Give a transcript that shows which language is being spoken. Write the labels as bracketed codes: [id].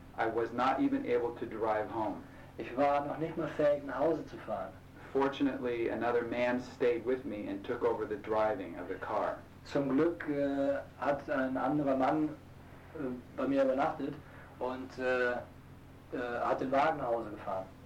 [en] I was not even able to drive home. [de] Ich war noch nicht mal fähig, nach Hause zu fahren. [en] Unfortunately, another man stayed with me and took over the driving of the car. [de] Zum Glück hat ein anderer Mann bei mir übernachtet und hat den Wagen nach Hause gefahren.